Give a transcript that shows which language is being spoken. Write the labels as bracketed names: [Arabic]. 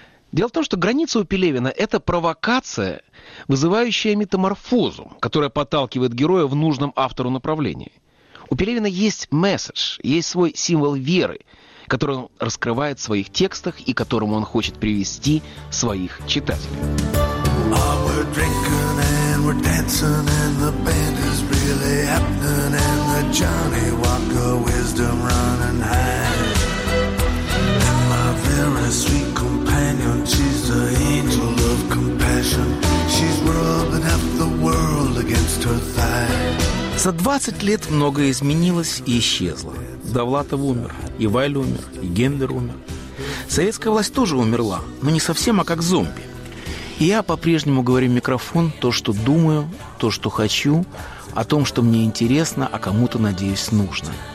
[Russian] Дело в том, что граница у Пелевина – это провокация, вызывающая метаморфозу, которая подталкивает героя в нужном автору направлении. У Пелевина есть месседж, есть свой символ веры, который он раскрывает в своих текстах и которому он хочет привести своих читателей. [English] Drinking and we're dancing and the band is really happening and the Johnny Walker wisdom running high. And my very sweet companion, she's the angel of compassion. She's rubbing up the world against her thigh. [Russian] За 20 лет многое изменилось и исчезло. Довлатов умер, и Валь умер, и Гендер умер. Советская власть тоже умерла, но не совсем, а как зомби. И я по-прежнему говорю в микрофон то, что думаю, то, что хочу, о том, что мне интересно, а кому-то, надеюсь, нужно.